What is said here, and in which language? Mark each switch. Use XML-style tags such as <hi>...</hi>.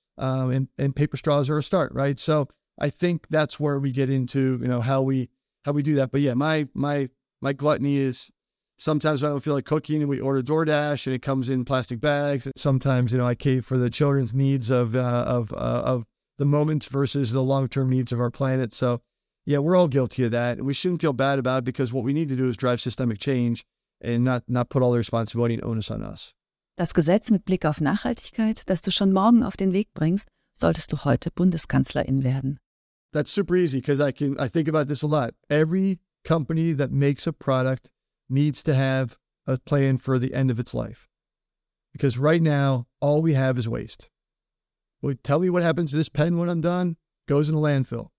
<en>And paper straws are a start, right? So I think that's where we get into, you know, how we do that. But yeah, my gluttony is sometimes I don't feel like cooking and we order DoorDash and it comes in plastic bags. Sometimes, you know, I cave for the children's needs of the moment versus the long-term needs of our planet. So yeah, we're all guilty of that. And we shouldn't feel bad about it, because what we need to do is drive systemic change and not put all the responsibility and onus on us.</en> <de>Das Gesetz mit Blick auf Nachhaltigkeit, das du schon morgen auf den Weg bringst, solltest du heute Bundeskanzlerin werden.</de> <en>That's super easy, because I think about this a lot. Every company that makes a product needs to have a plan for the end of its life. Because right now, all we have is waste. Well, tell me what happens to this pen when I'm done. Goes in a landfill.</en>